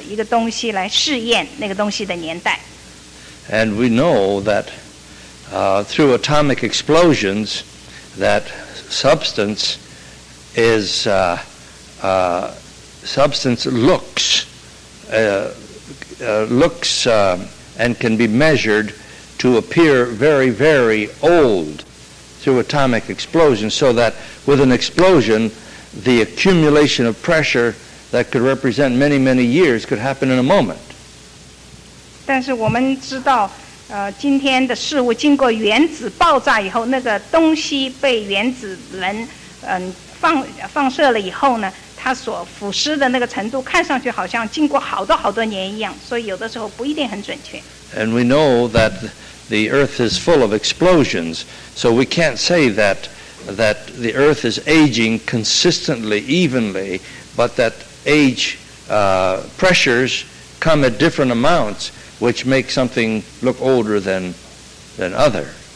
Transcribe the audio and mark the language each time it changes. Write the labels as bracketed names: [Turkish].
[Chinese] 考古学家根据一个原理，就是所有的埋葬的东西，他们那个腐蚀的那个程度都是相类似的，所以你就按照他们这个腐蚀的这程度，用一个碳化的一个东西来试验那个东西的年代。 [English] And we know that through atomic explosions, that substance is substance looks and can be measured to appear very, very old through atomic explosion, so that with an explosion, the accumulation of pressure that could represent many, many years could happen in a moment. [Chinese] 但是我们知道, 今天的事物经过原子爆炸以后, 那个东西被原子能, 放射了以后呢, 它所腐蚀的那个程度看上去好像经过好多好多年一样, 所以有的时候不一定很准确。 [English] And we know that the earth is full of explosions, so we can't say that the earth is aging consistently, evenly, but that age pressures come at different amounts, which make something look older than other.